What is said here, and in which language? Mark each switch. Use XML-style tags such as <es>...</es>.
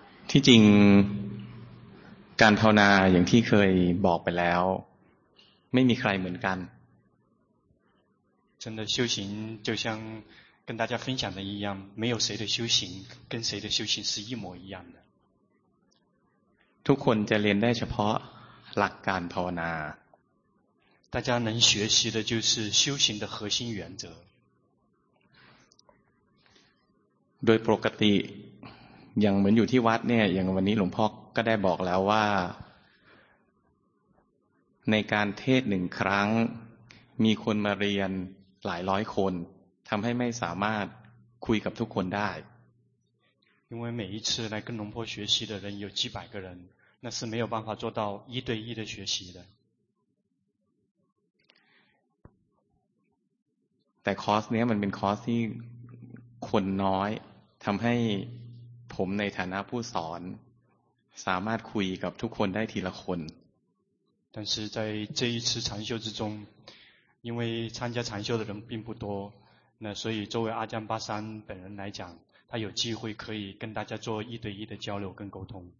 <th>ที่จริงการภาวนาอย่างที่เคยบอกไปแล้วไม่มีใครเหมือนกัน</th> <zh>真的修行就像跟大家分享的一样没有谁的修行跟谁的修行是一模一样的</zh> <th>ทุกคนจะเรียนได้เฉพาะหลักการภาวนา</th> <zh>大家能学习的就是修行的核心原则</zh> <th>โดยปกติอย่างเหมือนอยู่ที่วัดเนี่ยอย่างวันนี้หลวงพ่อก็ได้บอกแล้วว่าในการเทศน์1ครั้งมีคนมาเรียนหลายร้อยคนทำให้ไม่สามารถคุยกับทุกคนได้</th> <zh>因为每一次来跟龙坡学习的人有几百个人那是没有办法做到一对一的学习的</zh> <th>แต่คอร์สเนี้ยมันเป็นคอร์สที่คนน้อยทำให้ผมในฐานะผู้สอนสามารถคุยกับทุกคนได้ทีละคน</th> <zh>但是在这一次禅修之中因为参加禅修的人并不多那所以作为阿江巴山本人来讲他有机会可以跟大家做一对一的交流跟沟通</zh>